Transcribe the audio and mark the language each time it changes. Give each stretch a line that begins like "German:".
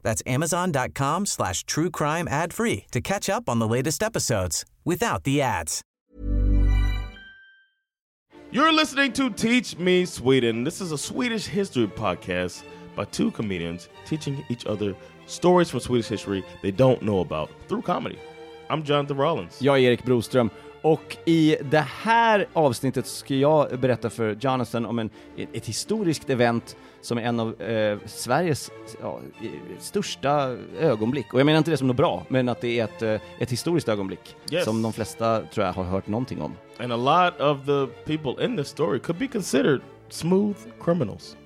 English: That's amazon.com/truecrimeadfree to catch up on the latest episodes without the ads. You're listening to Teach Me Sweden. This is a Swedish history podcast by two comedians teaching each other stories from Swedish history they don't know about through comedy. I'm Jonathan Rollins.
Swedish: Jag är Erik Broström. Och i det här avsnittet ska jag berätta för Jonathan om ett historiskt event som är en av Sveriges största ögonblick. Och jag menar inte det som något bra, men att det är ett historiskt ögonblick.
English: Yes.
Swedish: Som de flesta tror jag har hört någonting om.
English: And a lot of the people in this story could be considered smooth criminals.